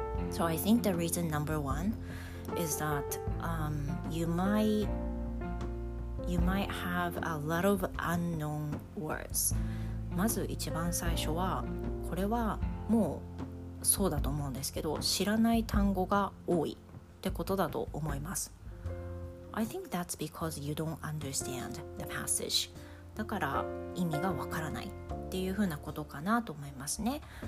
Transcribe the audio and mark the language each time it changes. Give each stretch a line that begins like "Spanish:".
English: So I think the reason number one is that、you might have a lot of unknown words。
Japanese: まず一番最初は、これはもうそうだと思うんですけど、知らない単語が多いってことだと思います。
English: I think that's because you don't understand the passage.
Japanese: だから意味がわからないっていうふうなことかなと思いますね。